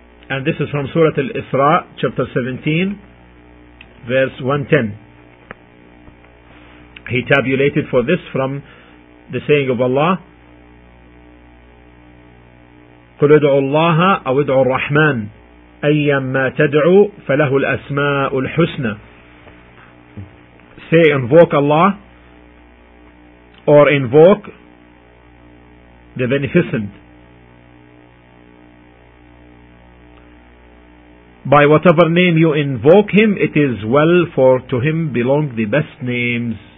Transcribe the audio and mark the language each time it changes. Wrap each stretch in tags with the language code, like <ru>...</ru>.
<en>And this is from Surah Al-Isra, chapter 17, verse 110. He tabulated for this from the saying of Allah,</en> <ar>قُلْ اِدْعُوا اللَّهَ أَوْ اِدْعُوا الرَّحْمَانَ أَيَّمَّا تَدْعُوا فَلَهُ الْأَسْمَاءُ الْحُسْنَى.</ar> <en>Say, invoke Allah, or invoke the Beneficent, by whatever name you invoke him, it is well, for to him belong the best names.</en>